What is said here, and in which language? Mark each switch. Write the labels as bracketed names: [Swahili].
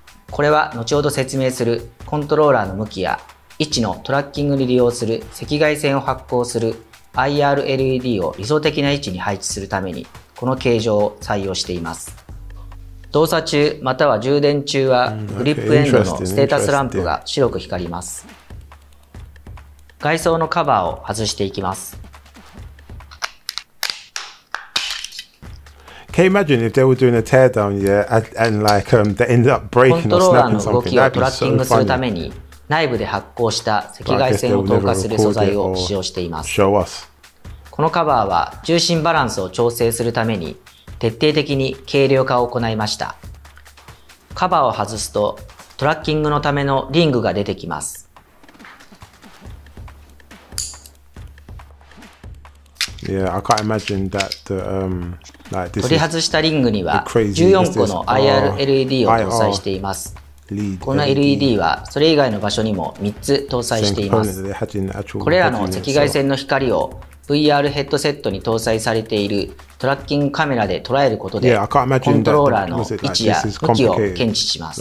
[Japanese] これは後ほど説明するコントローラーの向きや位置のトラッキングに利用する赤外線を発光する IR LED を理想的な位置に配置するためにこの形状を採用しています。動作中または充電中はグリップエンドのステータスランプが白く光ります。外装のカバーを外していきます。 [English] Can you imagine if they were doing a teardown, yeah, and like, they ended up breaking or snapping something? [Japanese] コントローラーの動きをトラッキングするために内部で発光した赤外線を透過する素材を使用しています。 [English] Show us. [Japanese] このカバーは重心バランスを調整するために徹底的に軽量化を行いました。カバーを外すとトラッキングのためのリングが出てきます。 [English] Yeah, I can't imagine that the, like, this [Japanese] 取り外したリングには14個の IR LED を搭載しています。この LED はそれ以外の場所にも3つ搭載しています。これらの赤外線の光を VR ヘッドセットに搭載されているトラッキングカメラで捉えることでコントローラーの位置や向きを検知します。